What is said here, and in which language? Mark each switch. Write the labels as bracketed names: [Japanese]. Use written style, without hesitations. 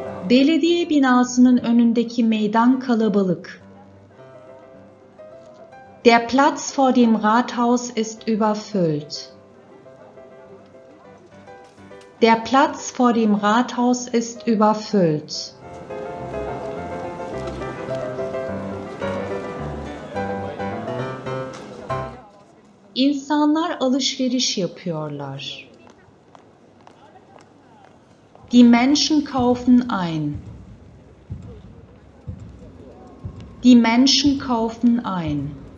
[Turkish] Belediye binasının önündeki meydan kalabalık. [German] Der Platz vor dem Rathaus ist überfüllt. Der Platz vor dem Rathaus ist überfüllt. [Turkish] İnsanlar alışveriş yapıyorlar. [German] Die Menschen kaufen ein. Die Menschen kaufen ein.